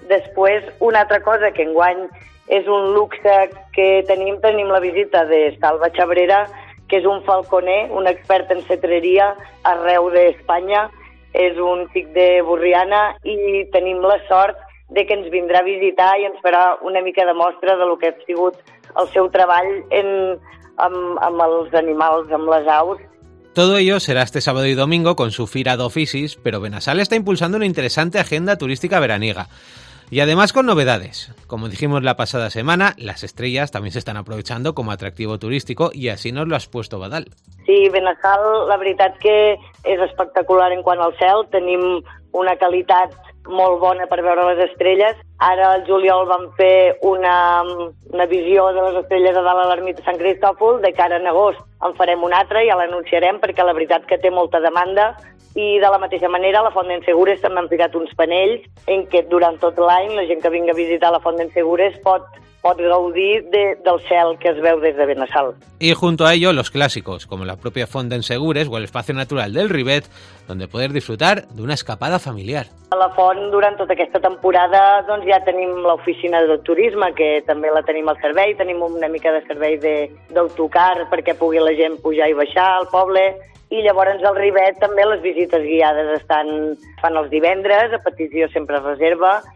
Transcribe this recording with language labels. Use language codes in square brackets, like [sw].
[ca] Després, una altra cosa que enguany és un luxe que tenim la visita de Salva Chabrera, que és un falconer, un expert en cetreria arreu d'Espanya, és un tic de Borriana i tenim la sort de que ens vindrà a visitar i ens farà una mica de mostra de lo que ha sigut el seu treball amb els animals, amb les aus. [es] Todo ello será este sábado y domingo con su Fira d'Oficis, pero Benassal está impulsando una interesante agenda turística veraniega. Y además con novedades. Como dijimos la pasada semana, las estrellas también se están aprovechando como atractivo turístico y así nos lo has puesto, Badal. [ca] Sí, Benassal, la veritat que és espectacular en quant al cel. Tenim una qualitat molt bona per veure les estrelles. Ara, el juliol, vam fer una visió de les estrelles a dalt a l'ermita Sant Cristòfol. De cara a agost en farem una altra i ja l'anunciarem, perquè la veritat que té molta demanda. I de la mateixa manera, a la Font d'en Segures també han ficat uns panells en què durant tot l'any la gent que vinga a visitar la Font d'en Segures pot gaudir del cel que es veu des de Benassal. [es] Y junto a ello, los clásicos, como la propia Font d'en Segures o el Espacio Natural del Ribet, donde poder disfrutar de una escapada familiar. [ca] A la Font, durant tota aquesta temporada, doncs ja tenim l'oficina de turisme, que també la tenim al servei, tenim una mica de servei d'autocar perquè pugui la gent pujar i baixar al poble. I llavors al Ribet també les visites guiades fan els divendres, a petició sempre reserva.